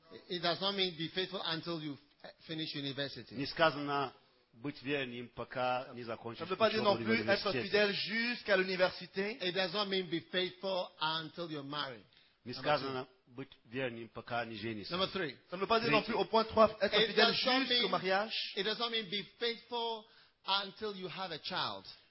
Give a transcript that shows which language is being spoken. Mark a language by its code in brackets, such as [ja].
[en] It does not mean be faithful until you finish university. [fr] Ça ne veut pas dire non plus être fidèle jusqu'à l'université. [en] It does not mean be faithful until you're married. Number three. [fr] Ça ne veut pas dire non plus au point 3 être fidèle jusqu'au mariage. [en] It does not mean be faithful until you have a child.